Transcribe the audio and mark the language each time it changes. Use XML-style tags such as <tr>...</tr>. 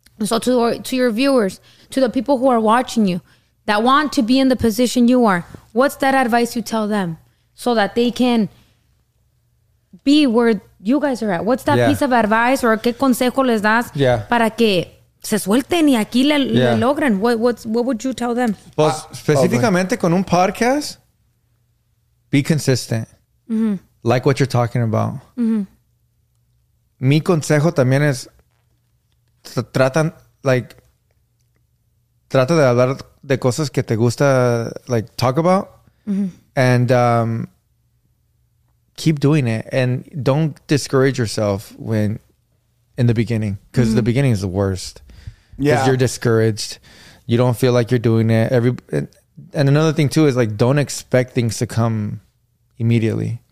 <en>So to your viewers, to the people who are watching you that want to be in the position you are, what's that advice you tell them so that they can be where you guys are at? What's that piece of advice, or</en> <es>qué consejo les das para que se suelten y aquí le logren?</es> <en>What would you tell them?</en> <es>Pues, específicamente con un podcast,</es> <en>be consistent. Mm-hmm. Like what you're talking about. Mm-hmm.</en> <es>Mi consejo también es trata de hablar de cosas que te gusta,</es> <en>like talk about. Mm-hmm. And keep doing it, and don't discourage yourself in the beginning, because the beginning is the worst. Because you're discouraged. You don't feel like you're doing it. And another thing too is like, don't expect things to come immediately.</en>